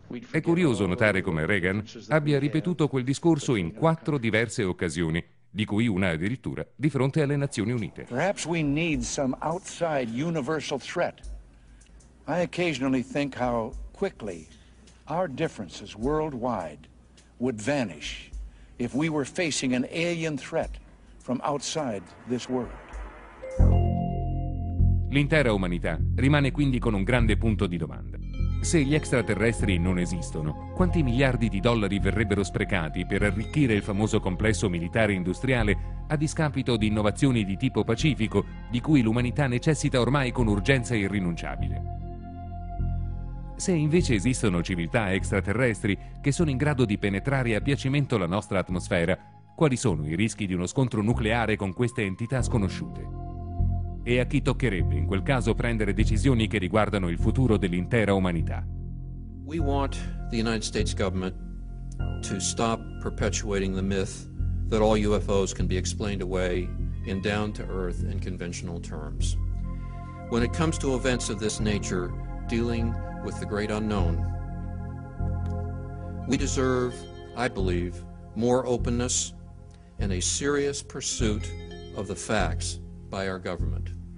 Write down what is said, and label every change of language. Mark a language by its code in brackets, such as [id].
[it] È curioso notare come Reagan abbia ripetuto quel discorso in quattro diverse occasioni, di cui una addirittura di fronte alle Nazioni Unite. [en] Perhaps we need some outside universal threat. I occasionally think how quickly our differences worldwide would vanish if we were facing an alien threat from outside this world. [it] L'intera umanità rimane quindi con un grande punto di domanda. Se gli extraterrestri non esistono, quanti miliardi di dollari verrebbero sprecati per arricchire il famoso complesso militare industriale a discapito di innovazioni di tipo pacifico di cui l'umanità necessita ormai con urgenza irrinunciabile? Se invece esistono civiltà extraterrestri che sono in grado di penetrare a piacimento la nostra atmosfera, quali sono i rischi di uno scontro nucleare con queste entità sconosciute? E a chi toccherebbe in quel caso prendere decisioni che riguardano il futuro dell'intera umanità? [en] We want the United States government to stop perpetuating the myth that all UFOs can be explained away in down-to-earth and conventional terms. When it comes to events of this nature, dealing with the great unknown, we deserve, I believe, more openness and a serious pursuit of the facts by our government.